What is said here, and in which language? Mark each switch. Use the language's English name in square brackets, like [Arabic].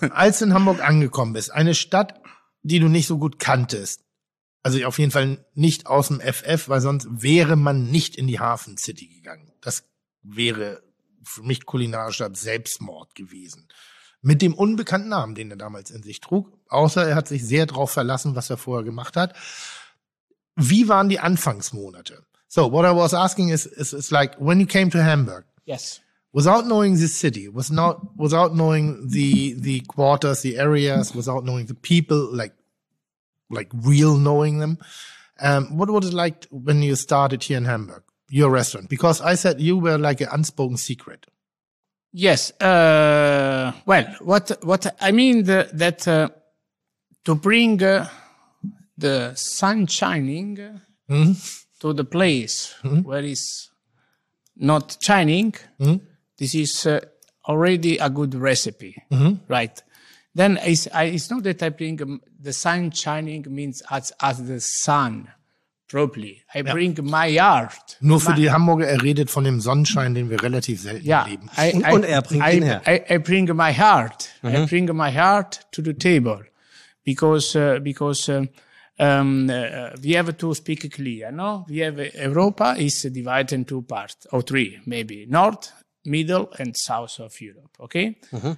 [German] Als du in Hamburg angekommen bist, eine Stadt, die du nicht so gut kanntest, also auf jeden Fall nicht aus dem FF, weil sonst wäre man nicht in die Hafen City gegangen. Das wäre für mich kulinarischer Selbstmord gewesen. Mit dem unbekannten Namen, den er damals in sich trug. Außer er hat sich sehr drauf verlassen, was er vorher gemacht hat. Wie waren die Anfangsmonate? [English] So, what I was asking is like, when you came to Hamburg. Yes. Without knowing the city, without knowing the quarters, the areas, without knowing the people, like real knowing them. What was it like when you started here in Hamburg, your restaurant? Because I said you were like an unspoken secret. Yes. Well, what I mean that to bring the sun shining to the place where it's not shining, this is already a good recipe, right? Then it's not that I bring the sun shining means as the sun. Properly. I bring my art. [German] Nur für die Hamburger, er redet von dem Sonnenschein, den wir relativ selten erleben. Und er bringt ihn her. [English] I bring my heart. I bring my heart to the table. Because we have to speak clear, no? We have Europa is divided in two parts, or three, maybe. North, middle, and south of Europe, okay? Mm-hmm.